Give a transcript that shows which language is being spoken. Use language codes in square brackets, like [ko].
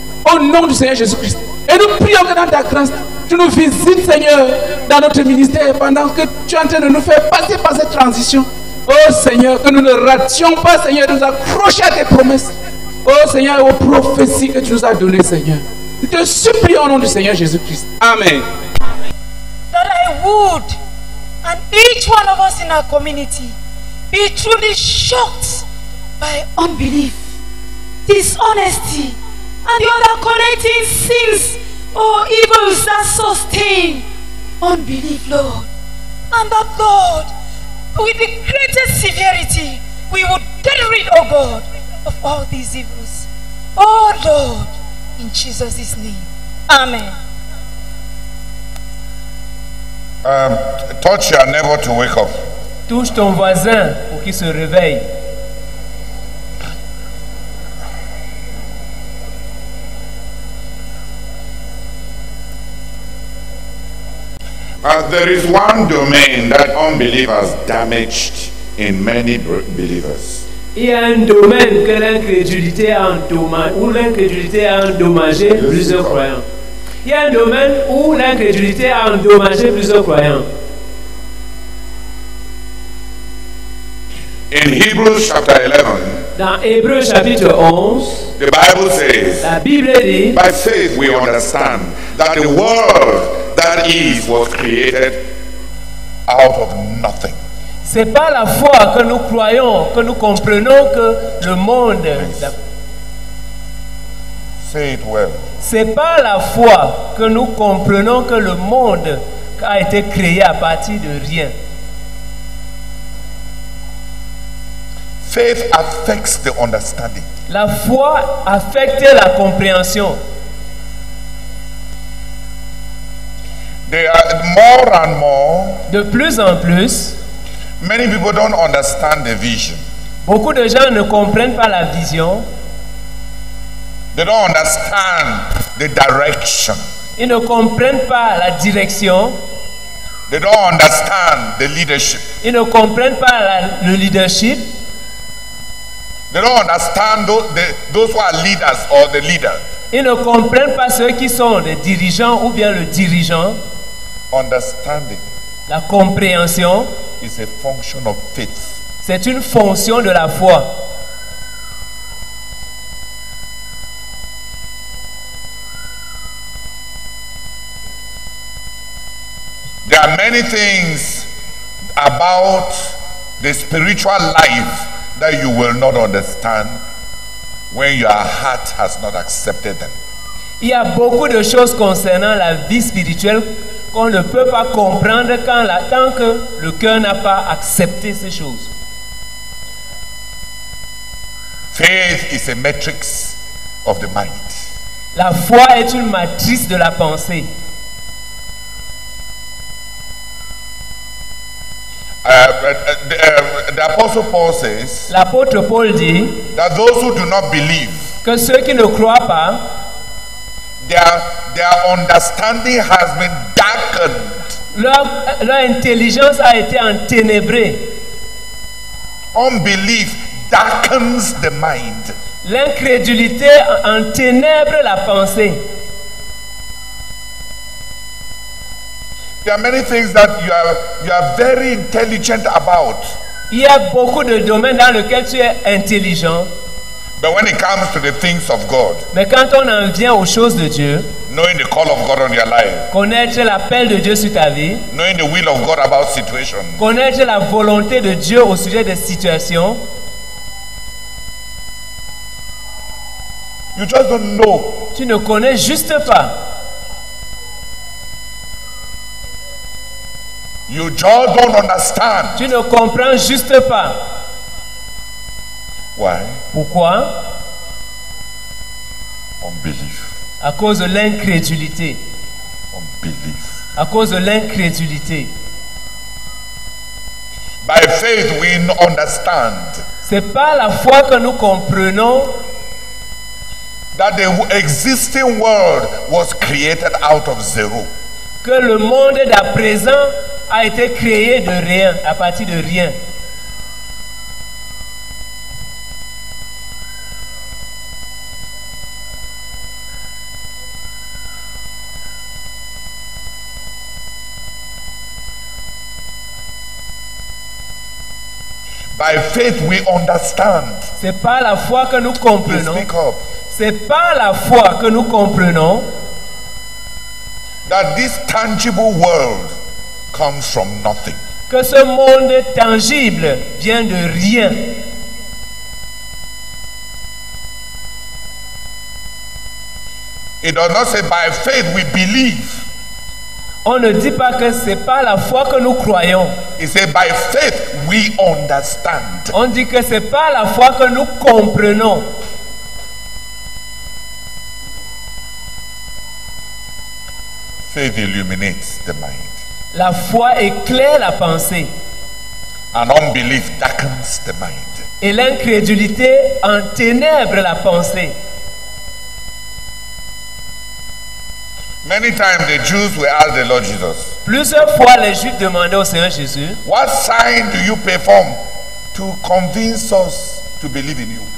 [fr] Au nom du Seigneur Jésus-Christ. Et nous prions que dans ta grâce, tu nous visites, Seigneur, dans notre ministère, pendant que tu es en train de nous faire passer par cette transition. Oh Seigneur, que nous ne rations pas, Seigneur, de nous accrocher à tes promesses. Oh Seigneur, aux prophéties que tu nous as données, Seigneur. Nous te supplions au nom du Seigneur Jésus-Christ. Amen. [en] That I would, and each one of us in our community, be truly shocked by unbelief, dishonesty, and the other connecting sins or evils that sustain unbelief, Lord. And that, Lord, with the greatest severity, we would get rid, oh God, of all these evils. Oh Lord, in Jesus' name. Amen. Touch your neighbor to wake up. [fr] Touche ton voisin pour qu'il se réveille. [en] There is one domain that unbelievers damaged in many believers. [fr] Il y a un domaine que l'incrédulité a endommagé, où l'incrédulité a endommagé plusieurs croyants. Il y a un domaine où l'incrédulité a endommagé plusieurs croyants. [en] In Hebrews chapter 11, [fr] dans Hébreux chapitre 11, [en] the Bible says, [fr] la Bible dit, [en] by faith we understand that the world that is was created out of nothing. [fr] C'est par la foi que nous croyons, que nous comprenons que le monde. [en] Say it well. [fr] C'est par la foi que nous comprenons que le monde a été créé à partir de rien. [en] Faith affects the understanding. [fr] La foi affecte la compréhension. [en] There are more and more. [fr] De plus en plus. [en] Many people don't understand the vision. [fr] Beaucoup de gens ne comprennent pas la vision. [en] They don't understand the direction. [fr] Ils ne comprennent pas la direction. [en] They don't understand the leadership. [fr] Ils ne comprennent pas le leadership. [en] They don't understand those who are leaders or the leader. [fr] Ils ne comprennent pas ceux qui sont les dirigeants ou bien le dirigeant. [en] Understanding. [fr] La compréhension. [en] Is a function of faith. [fr] C'est une fonction de la foi. [en] There are many things about the spiritual life that you will not understand when your heart has not accepted them. [fr] Il y a beaucoup de choses concernant la vie spirituelle qu'on ne peut pas comprendre tant que le cœur n'a pas accepté ces choses. [en] Faith is a matrix of the mind. [fr] La foi est une matrice de la pensée. [en] The apostle Paul says, [fr] l'apôtre Paul dit, [en] that those who do not believe, [fr] que ceux qui ne croient pas, [en] their understanding has been darkened. [fr] Leur intelligence a été enténébrée. [en] Unbelief darkens the mind. [fr] L'incrédulité enténèbre la pensée. [en] There are many things that you are very intelligent about. [fr] Il y a beaucoup de domaines dans lesquels tu es intelligent. [en] But when it comes to the things of God, [fr] mais quand on en vient aux choses de Dieu, [en] knowing the call of God on your life, [fr] connaître l'appel de Dieu sur ta vie, [en] knowing the will of God about situations, [fr] connaître la volonté de Dieu au sujet des situations, [en] you just don't know. [fr] Tu ne connais juste pas. [en] You just don't understand. [fr] Tu ne comprends juste pas. [en] Why? [fr] Pourquoi? [en] Unbelief. [fr] À cause de l'incrédulité. [en] Unbelief. [fr] À cause de l'incrédulité. [en] By faith we understand. [fr] C'est par la foi que nous comprenons [en] that the existing world was created out of zero. [fr] Que le monde d'à présent a été créé de rien, à partir de rien. [en] By faith we understand. [fr] C'est par la foi que nous comprenons. [en] Speak up. [fr] C'est par la foi que nous comprenons [en] that this tangible world comes from nothing. [fr] Que ce monde tangible vient de rien. [en] It does not say by faith we believe. [fr] On ne dit pas que c'est par la foi que nous croyons. [en] He said, by faith we understand. [fr] On dit que c'est par la foi que nous comprenons. [en] Faith illuminates the mind. [fr] La foi éclaire la pensée. [en] And unbelief darkens the mind. [fr] Et l'incrédulité enténèbre la pensée. [en] Many times the Jews were asked the Lord Jesus. [fr] Plusieurs fois les Juifs demandaient au Seigneur Jésus. [en] What sign do you perform to convince us to believe in you?